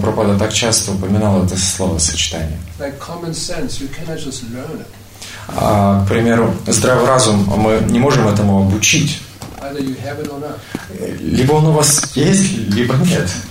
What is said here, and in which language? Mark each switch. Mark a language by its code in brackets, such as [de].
[ru] Прабхупада так часто упоминал это словосочетание. [en] Like common sense, you cannot just learn it. [ru] К примеру, здравый разум, мы не можем этому обучить. [en] Either you have it or not. [ru] Либо он у вас есть, либо нет.